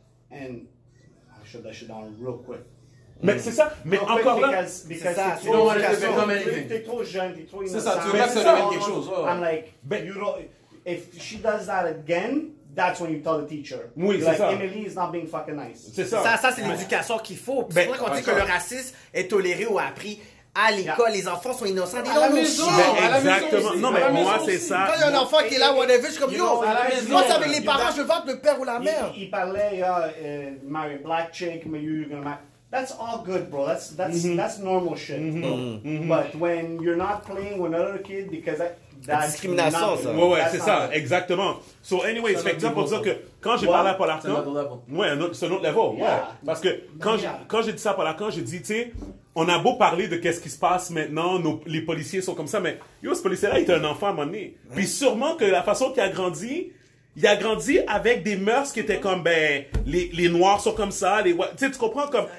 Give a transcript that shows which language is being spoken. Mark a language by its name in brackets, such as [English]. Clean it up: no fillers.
[English] And I shut that shit down real quick. [French] Mais c'est ça, mais en encore fait, là, because c'est ça, t'es trop jeune, t'es trop innocent. C'est ça, tu veux pas que ça devienne quelque chose. [English] I'm like, but you don't... If she does that again, that's when you tell the teacher. [French] Oui, [English] like, [French] c'est ça. [English] Emily is not being fucking nice. [French] C'est ça. Ça, c'est l'éducation qu'il faut. Ben, c'est vrai qu'on dit que le racisme est toléré ou appris à l'école. [English] Yeah. [French] Les enfants sont innocents. Ils ont le choix. Exactement. Non, mais moi, c'est ça. Quand il y a un enfant qui est là, on l'a vu, je suis comme, yo, moi, c'est avec les parents, je vote le père ou la mère. Il parlait, [English] marry a black chick, mais you're gonna marry. That's all good, bro. That's normal shit. But when you're not playing with another kid, because [French] la discrimination, ça. Ouais, ouais, c'est ça, exactement. [English] So, anyway, [French] c'est ça pour dire que quand j'ai parlé à Paul Arcand... Ouais, c'est un autre level. Ouais. Parce que quand j'ai dit ça à Paul Arcand, j'ai dit, tu sais, on a beau parler de qu'est-ce qui se passe maintenant, les policiers sont comme ça, mais yo, ce policier-là, il était un enfant à un moment donné. Puis sûrement que la façon qu'il a grandi, il a grandi avec des mœurs qui étaient comme, ben, les noirs sont comme ça, les... Tu sais, tu comprends comme...